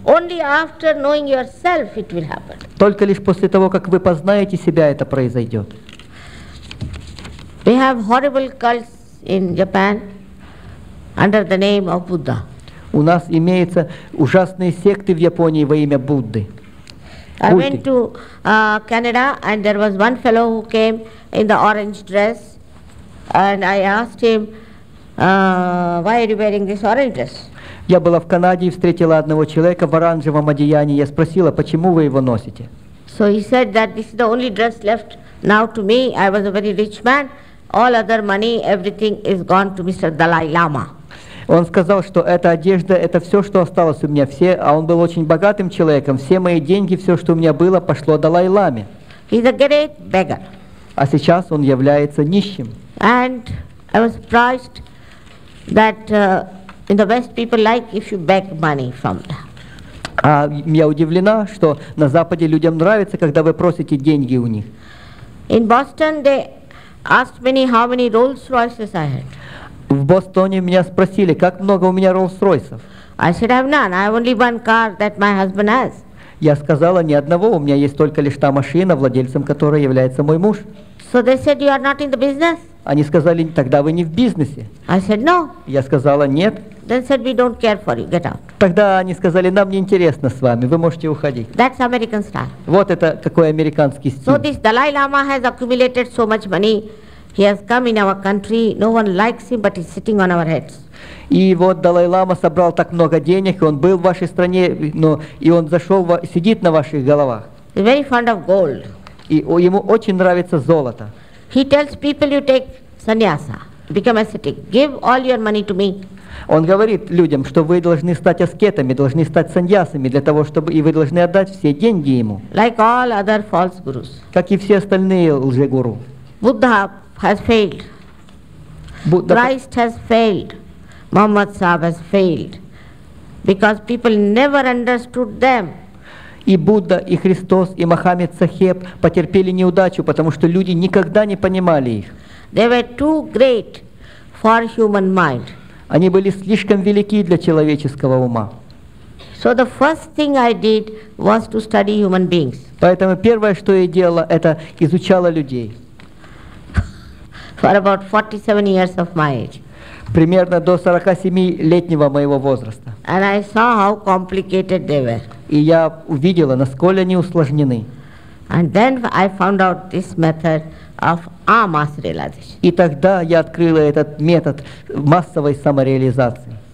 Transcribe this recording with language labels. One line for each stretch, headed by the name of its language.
English: Only after knowing yourself it will happen.
Russian: Только лишь после того, как вы познаете себя, это произойдет.
English: We have horrible cults in Japan. Under the name of Buddha.
Russian: У нас имеются ужасные секты в Японии во имя Будды.
English: I went to Canada and there was one fellow who came in the orange dress and I asked him why are you wearing this orange dress?
Russian: Я была в Канаде и встретила одного человека в оранжевом одеянии. Я спросила, почему вы его носите?
English: So he said that this is the only dress left now to me. I was a very rich man. All other money, everything is gone to Mr. Dalai Lama.
Russian: Он сказал, что эта одежда, это все, что осталось у меня, все, а он был очень богатым человеком, все мои деньги, все, что у меня было, пошло Далай-Ламе.
English: He's a great beggar.
Russian: А сейчас он является нищим.
English: And I was surprised that in the West people like if you beg money from them.
Russian: А я удивлена, что на Западе людям нравится, когда вы просите деньги у них.
English: In Boston they asked me how many Rolls Royces I had.
Russian: В Бостоне меня спросили, как много у меня Rolls-Royce'ов.
English: I said, I have none. I have only one car that my husband has.
Russian: Я сказала, ни одного. У меня есть только лишь та машина, владельцем которой является мой муж.
English: So they said, you are not in the business.
Russian: Они сказали, тогда вы не в бизнесе.
English: I said, no.
Russian: Я сказала, нет.
English: They said, we don't care for you. Get out.
Russian: Тогда они сказали, нам не интересно с вами, вы можете уходить.
English: That's American style.
Russian: Вот это какой американский стиль.
English: So this Dalai Lama has accumulated so much money. He has come in our country. No one likes him, but he's sitting on our heads.
Russian: И вот Далай-лама собрал так много денег, и он был в вашей стране, но и он зашел, сидит на ваших головах.
English: He's very fond of gold.
Russian: И ему очень нравится золото.
English: He tells people, you take sannyasa, become ascetic, give all your money to me.
Russian: Он говорит людям, что вы должны стать аскетами, должны стать саньясами для того, чтобы и вы должны отдать все деньги ему.
English: Like all other false gurus.
Russian: Как и все остальные лжегуру.
English: Buddha. Has failed. Buddha. Christ has failed. Muhammad Sahib has failed. Because people never understood them.
Russian: И Будда, и Христос, и Мохаммед Сахеб потерпели неудачу, потому что люди никогда не понимали их.
English: They were too great for human mind.
Russian: Они были слишком велики для человеческого ума.
English: So the first thing I did was to study human beings.
Russian: Поэтому первое, что я делала, это изучала людей.
English: For about 47 years of my age.
Russian: Примерно до 47-летнего моего возраста.
English: And I saw how complicated they were.
Russian: И я увидела, насколько они усложнены.
English: And then I found out this method of mass realization.
Russian: И тогда я открыла этот метод массовой самореализации.